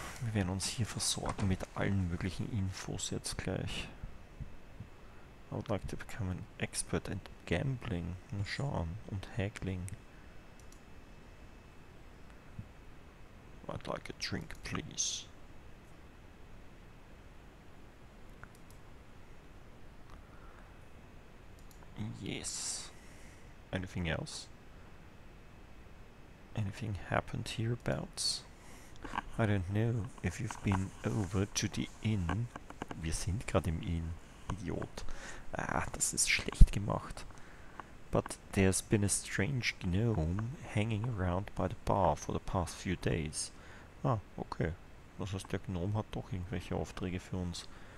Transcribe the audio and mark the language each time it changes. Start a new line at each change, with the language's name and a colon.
German: Wir werden uns hier versorgen mit allen möglichen Infos jetzt gleich.
English: I would like to become an expert in gambling.
German: Na schauen. Und haggling.
English: I'd like a drink, please. Yes. Anything else? Anything happened hereabouts? I don't know if you've been over to the inn.
German: Wir sind gerade im Inn. Idiot. Ah, das ist schlecht gemacht.
English: But there's been a strange gnome hanging around by the bar for the past few days. Ah, okay.
German: Das heißt, der Gnome hat doch irgendwelche Aufträge für uns.